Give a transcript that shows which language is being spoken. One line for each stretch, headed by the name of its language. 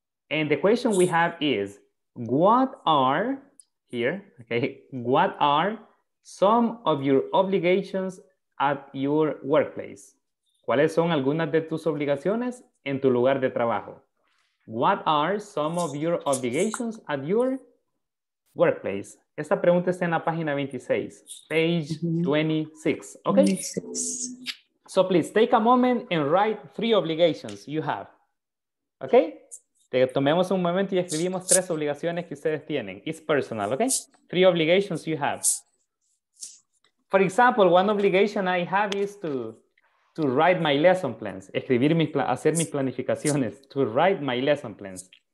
English: And the question we have is, what are, here, okay, what are some of your obligations at your workplace?
Spanish: ¿Cuáles son algunas de tus obligaciones en tu lugar de trabajo?
English: What are some of your obligations at your workplace?
Spanish: Esta pregunta está en la página 26,
English: page 26,
Spanish: okay?
English: 26. So please take a moment and write three obligations you have, okay?
Spanish: Tomemos un momento y escribimos tres obligaciones que ustedes tienen.
English: It's personal, okay? Three obligations you have. For example, one obligation I have is to write my lesson plans.
Spanish: Escribir mis hacer mis planificaciones.
English: To write my lesson plans.